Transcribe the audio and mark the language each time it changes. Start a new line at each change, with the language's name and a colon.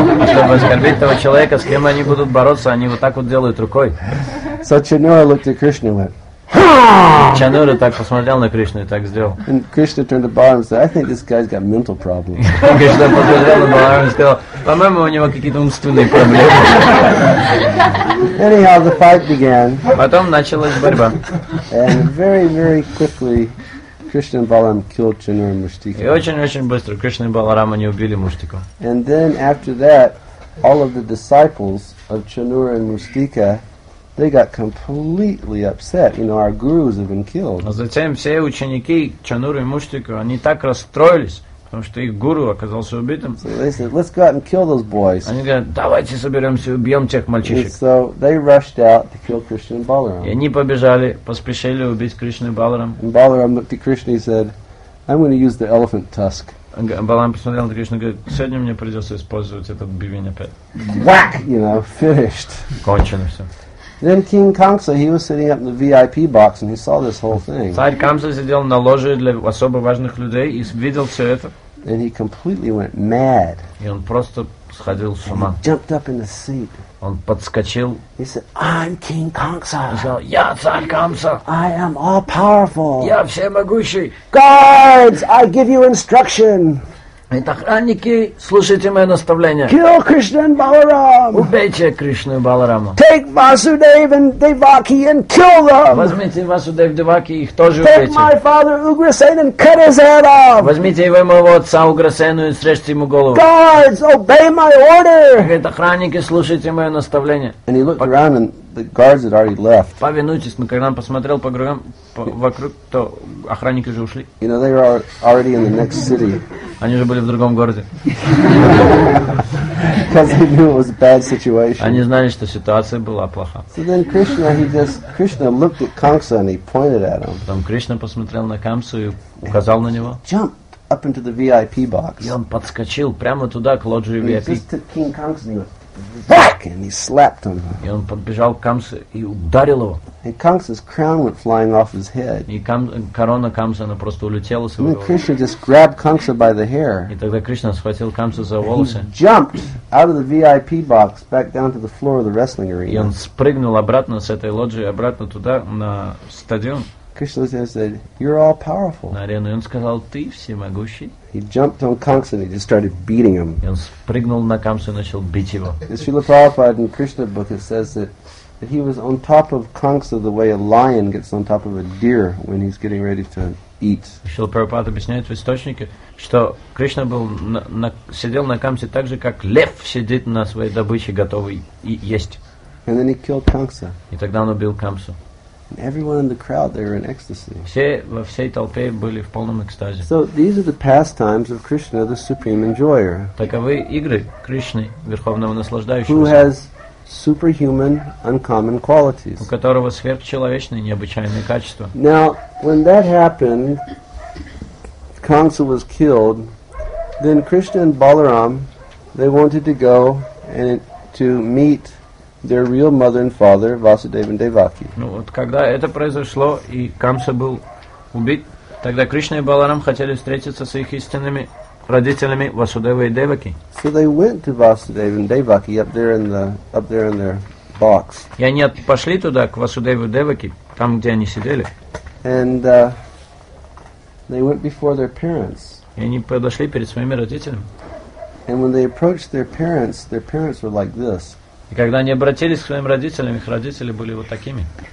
Russian: чтобы оскорбить того человека, с кем они будут бороться, они вот так вот делают рукой.
English: So Chanura looked at Krishna and went,
Russian: Чанура так посмотрел на Кришну и так сделал.
English: And Krishna turned to Balaram and said, I think this guy's got mental problems.
Russian: Кришна посмотрел на Баларама и сказал, по-моему, у него какие-то умственные проблемы.
English: Anyhow, the fight began.
Russian: Потом началась борьба.
English: And very, very quickly, Krishna and Balaram killed Chanura and Mushtika.
Russian: И очень-очень быстро Кришна и Баларам они убили Муштику.
English: And then after that, all of the disciples of Chanura and Mushtika, they got completely upset. You know, our gurus have been killed.
Russian: А затем все ученики Чанура и Муштика, они так расстроились, потому что их гуру оказался убитым.
English: So they said, "Let's go out and kill those boys."
Russian: Они говорят, давайте соберемся и убьем тех мальчишек.
English: And so they rushed out to kill Krishna and Balaram.
Russian: И они побежали, поспешили убить Кришну и Баларам.
English: Balaram looked at Krishna and said, "I'm going to use the elephant tusk."
Russian: Balaram посмотрел на Кришну и говорит, сегодня мне придется использовать этот бивень опять.
English: Whack! You know, finished.
Russian: Кончено все.
English: Then King Kamsa, he was sitting up in the VIP box and he saw this whole thing.
Russian: Царь Камса сидел на ложе для особо важных людей и видел все это.
English: And he completely went mad.
Russian: И он просто сходил с ума.
English: And he jumped up in the seat.
Russian: Он подскочил.
English: He said, "I'm King Kamsa."
Russian: Он сказал, "Я царь Камса."
English: "I am all powerful."
Russian: "Я всемогущий."
English: "Guards, I give you instruction."
Russian: Итак, охранники, слушайте мое наставление.
English: Kill Krishna and Balaram.
Russian: Убейте Кришну и Баларама.
English: Take Vasudev and Devaki and kill them.
Russian: Возьмите Vasudev, Devaki, их тоже
English: Take
Russian: убейте.
English: Take my father Ugrasen and cut his head off.
Russian: Возьмите его моего отца Ugrasena и срежьте ему голову.
English: Guards, obey my order.
Russian: Итак, охранники, слушайте мое наставление.
English: And he looked around and the guards had already left.
Russian: Повинуйтесь, мы когда посмотрел по кругам, вокруг, то охранники же ушли.
English: You know, they were already in the next city.
Russian: Они же были в другом городе.
English: Because they knew it was a bad situation.
Russian: Они знали, что ситуация была плоха.
English: So then Krishna, Krishna looked at Kamsa and he pointed at him.
Russian: Там Кришна посмотрел на Камсу и указал на него.
English: Jump. Up into the VIP box.
Russian: И он подскочил прямо туда к лоджии VIP.
English: He just took King Kamsa and he went whack, and he slapped him.
Russian: И он подбежал к Камсе и ударил его.
English: And Kamsa's crown went flying off his head.
Russian: И корона Камсы она просто улетела с его головы.
English: And Krishna just grabbed Kamsa by the hair.
Russian: И тогда Кришна схватил Камсу за волосы.
English: He jumped out of the VIP box back down to the floor of the wrestling arena.
Russian: И он спрыгнул обратно с этой лоджии обратно туда на стадион.
English: Krishna said, "You're all powerful."
Russian: На арену он сказал, ты всемогущий.
English: He jumped on Kamsa and he just started beating him.
Russian: И он спрыгнул на Камсу и начал бить его.
English: In Srila Prabhupada in Krishna book, it says that he was on top of Kamsa the way a lion gets on top of a deer when he's getting ready to eat.
Russian: Srila Prabhupada объясняет в источнике, что Кришна был сидел на Камсе так же, как лев сидит на своей добыче, готовый есть.
English: And then he killed Kamsa.
Russian: И тогда он убил Камсу.
English: Everyone in the crowd, they were in ecstasy.
Russian: Все во всей толпе были в полном экстазе.
English: So these are the pastimes of Krishna, the supreme enjoyer.
Russian: Таковы игры Кришны, верховного наслаждающего.
English: Who has superhuman, uncommon qualities?
Russian: У которого сверхчеловечные необычайные качества.
English: Now, when that happened, Kamsa was killed. Then Krishna and Balaram, they wanted to go and to meet their real mother and father, Vasudev and Devaki.
Russian: Ну вот когда это произошло и Камса был убит, тогда Кришна и Баларам хотели встретиться с их истинными родителями Васудева и Деваки.
English: So they went to Vasudev and Devaki up there in their box.
Russian: И они пошли туда к Васудеву и Деваки, там где они сидели.
English: And they went before their parents.
Russian: И они подошли перед своими родителями.
English: And when they approached their parents were like this.
Russian: И когда они обратились к своим родителям, их родители были вот такими.